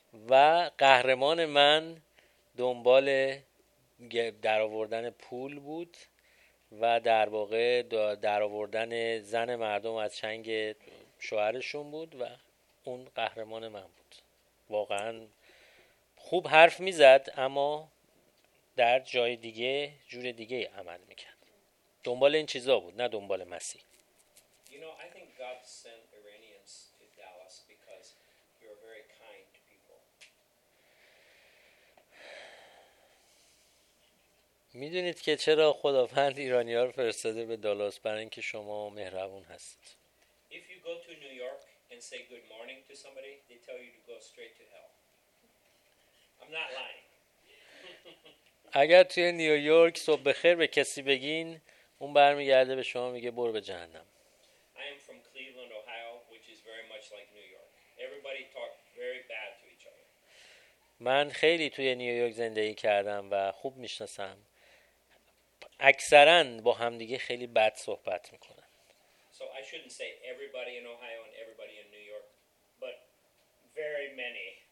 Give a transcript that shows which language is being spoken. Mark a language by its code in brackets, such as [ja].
[fa] و قهرمان من دنبال درآوردن پول بود و در واقع درآوردن زن مردم از چنگ شوهرشون بود و اون قهرمان من بود. واقعا خوب حرف میزد، اما در جای دیگه جور دیگه عمل میکرد. دنبال این چیزا بود، نه دنبال مسیح. [en] You know, I think God sent Iranians to Dallas because you are very kind people. [fa] میدونید که چرا خداوند ایرانی ها رو فرستاده به دالاس؟ برای اینکه شما مهربون هستید. [en] If you go to New York and say good morning to somebody, they tell you to go straight to hell. I'm not lying. [fa] اگر توی نیویورک صبح بخیر به کسی بگین، اون برمیگرده به شما میگه برو به جهنم. [en] I am from Cleveland, Ohio, which is very much like New York. Everybody talk very bad to each other. [fa] من خیلی توی نیویورک زندگی کردم و خوب میشناسم. اکثرا با هم دیگه خیلی بد صحبت میکنن. [en] So I shouldn't say everybody in Ohio and everybody in New York, but very many.